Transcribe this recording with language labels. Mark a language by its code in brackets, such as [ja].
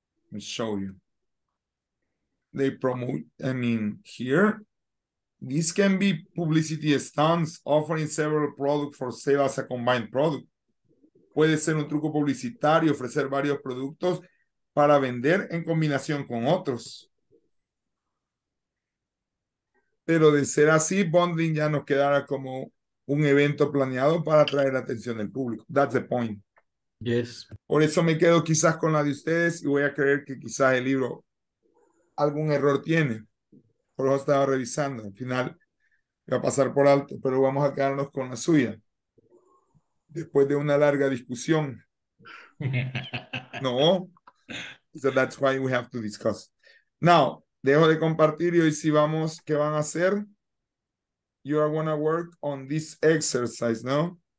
[en] Let me show you. They promote, I mean, here, this can be publicity stunts offering several products for sale as a combined product. [es] Puede ser un truco publicitario, ofrecer varios productos para vender en combinación con otros. Pero de ser así, bonding ya nos quedará como un evento planeado para atraer la atención del público. [en] That's the point. Yes. [es] Por eso me quedo quizás con la de ustedes y voy a creer que quizás el libro algún error tiene. Por eso estaba revisando. Al final, voy a pasar por alto, pero vamos a quedarnos con la suya. Después de una larga discusión. No. [en] So that's why we have to discuss. Now, [es] dejo de compartir y hoy sí vamos, ¿qué van a hacer? [en] You are going to work on this exercise, ¿no?